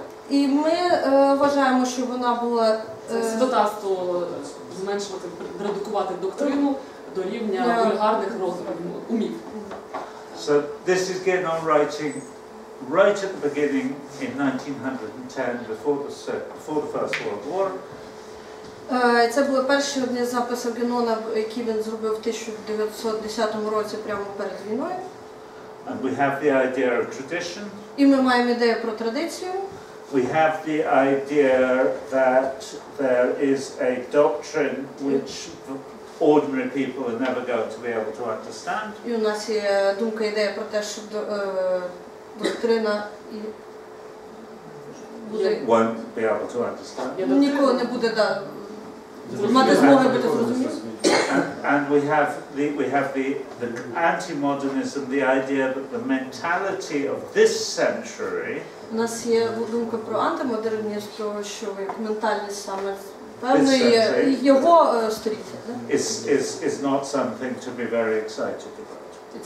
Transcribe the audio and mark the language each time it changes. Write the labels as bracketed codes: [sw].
[uk] І ми вважаємо, що вона була святотатство зменшувати, редукувати доктрину до рівня вульгарних умів. [en] So this is Genon writing right at the beginning in 1910, before the First World War. [uk] Це були перші одні записи Генона, які він зробив в 1910 році, прямо перед війною. [en] And we have the idea of tradition. [uk] І ми маємо ідею про традицію. [en] We have the idea that there is a doctrine which ordinary people are never going to be able to understand. [uk] І у нас є думка, ідея про те, що доктрина і буде [en] won't be able to understand. [uk] Ніколи не буде да мати змоги бути зрозумілим. [en] And we have the anti-modernism, the idea that the mentality of this century. [uk] У нас є думка про антимодернізм, що як ментальність саме певної його століття, да? [en] Is not something to be very excited about.